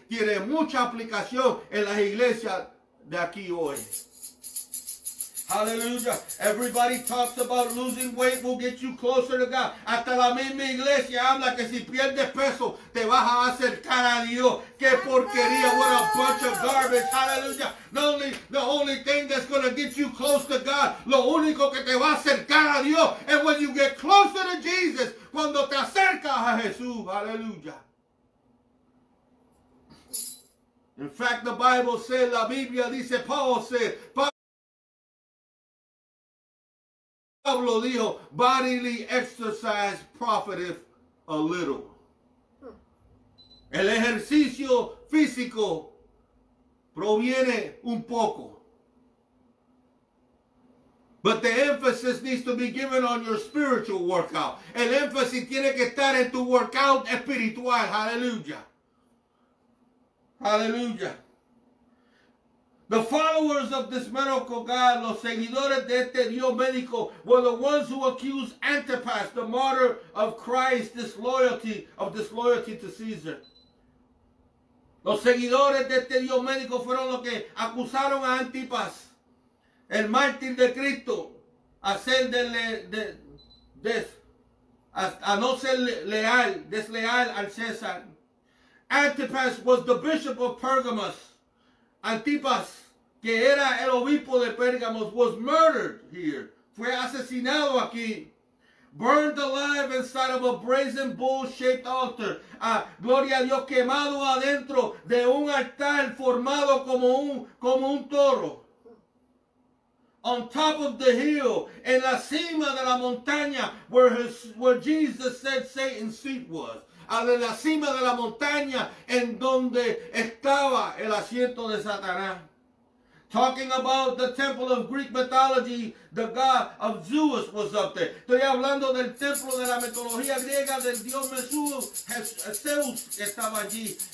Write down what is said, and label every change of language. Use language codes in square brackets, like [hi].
[es] Tiene mucha aplicación en la iglesia de aquí hoy. [en] Hallelujah. Everybody talks about losing weight will get you closer to God. [es] Hasta la misma iglesia habla que si pierdes peso te vas a acercar a Dios. Qué porquería. [en] What a bunch of garbage. Hallelujah. The only thing that's going to get you close to God, [es] lo único que te va a acercar a Dios, [en] and when you get closer to Jesus, [es] cuando te acercas a Jesús. [en] Hallelujah. In fact, the Bible said, [es] la Biblia dice, [en] Paul said, [es] Pablo dijo, [en] bodily exercise profiteth a little. [es] El ejercicio físico proviene un poco. [en] But the emphasis needs to be given on your spiritual workout. [es] El énfasis tiene que estar en tu workout espiritual. [en] Hallelujah. Hallelujah. The followers of this medical God, [es] los seguidores de este Dios médico, [en] were the ones who accused Antipas, the martyr of Christ, disloyalty to Caesar. [es] Los seguidores de este Dios médico fueron los que acusaron a Antipas, el mártir de Cristo, a no ser desleal al César. [en] Antipas was the bishop of Pergamos. Antipas, [es] que era el obispo de Pergamos, [en] was murdered here. [es] Fue asesinado aquí. [en] Burned alive inside of a brazen bull-shaped altar. [es] Gloria a Dios, quemado adentro de un altar formado como un toro. [en] On top of the hill, [es] en la cima de la montaña, [en] where Jesus said Satan's seat was. [es] En la cima de la montaña, en donde estaba el asiento de Satanás. [en] Talking about the temple of Greek mythology, the god of Zeus was up there. [es] Estoy hablando del templo de la mitología griega del dios Zeus estaba allí.